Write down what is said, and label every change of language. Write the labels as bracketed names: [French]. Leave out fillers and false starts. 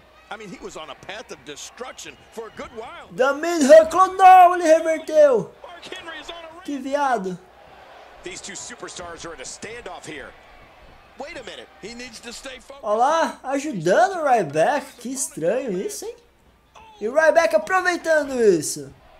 [English] I mean, he was on a path of destruction for a good while. The mid hook, [Portuguese] não, ele reverteu. [English] Mark Henry is on a run. [Portuguese] Que viado. [English] These two superstars are in a standoff here. Wait a minute. He needs to stay focused. [Portuguese] Olha lá, ajudando o Ryback. Que estranho isso, hein? E o Ryback aproveitando isso.